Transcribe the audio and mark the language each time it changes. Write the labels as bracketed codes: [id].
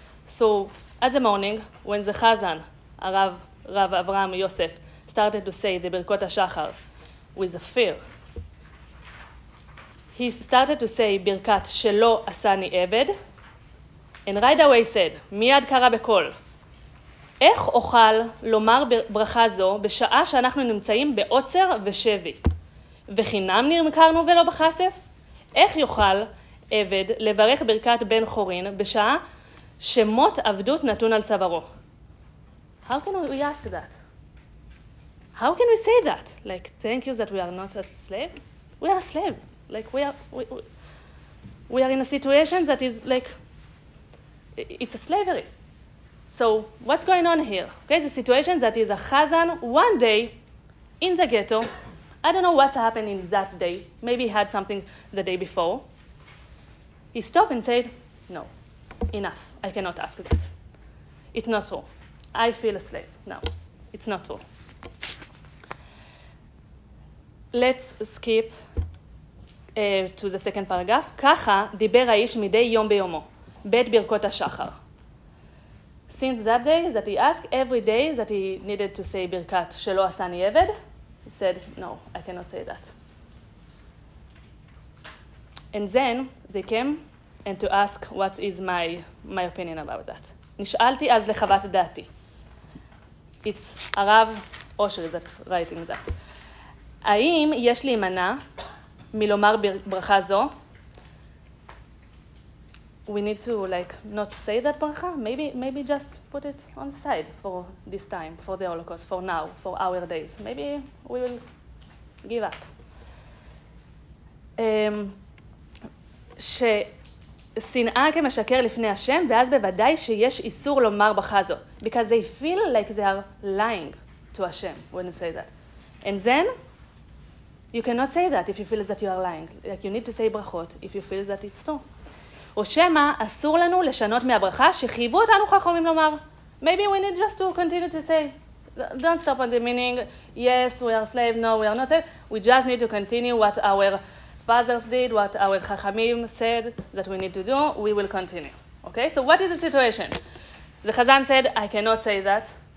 [en] So, at the morning, when the chazan, Rav Avraham Yosef, started to say the ברכות השחר with a fear, he started to say ברכת שלא עשני עבד, and right away said, [he] מיד קרא בקול, איך אוכל לומר ברכה זו בשעה שאנחנו נמצאים בעוצר ושבי? וחינם נמכרנו ולא בחסף? איך יוכל עבד לברך ברכת בן חורין בשעה שמות עבדות נתון על צווארו. [en] How can we ask that? How can we say that? Like, thank you that we are not a slave? We are a slave. Like, we are in a situation that is like, it's a slavery. So, what's going on here? Okay, the situation that is a chazan one day in the ghetto. I don't know what's happening that day. Maybe he had something the day before. He stopped and said, no, enough, I cannot ask that. It's not true. I feel a slave. No, it's not true. Let's skip to the second paragraph. [he] ככה דיבר האיש מדי יום ביומו, בית ברכות השחר. [en] Since that day that he asked, every day that he needed to say ברכת שלא עשני עבד, he said, no, I cannot say that. And then they came and to ask what is my opinion about that. [he] נשאלתי אז לחוות דעתי. [en] It's הרב אושר that's writing that. [he] האם יש לי מנה מלומר ברכה זו? [en] We need to like not say that ברכה. Maybe just put it on the side for this time, for the Holocaust, for now, for our days. Maybe we will give up. [he] ששנאה כמשקר לפני השם, ואז בוודאי שיש איסור לומר ברכה זו. [en] Because they feel like they are lying to Hashem when they say that. And then, you cannot say that if you feel that you are lying. Like you need to say ברכות if you feel that it's true. [he] או שמה, אסור לנו לשנות מהברכה שחייבו אותנו חכמים לומר. [en] Maybe we need just to continue to say, don't stop on the meaning, yes, we are slave, no, we are not slave. We just need to continue what our fathers did, what our chachamim said that we need to do, we will continue. Okay, so what is the situation? The chazan said, I cannot say that.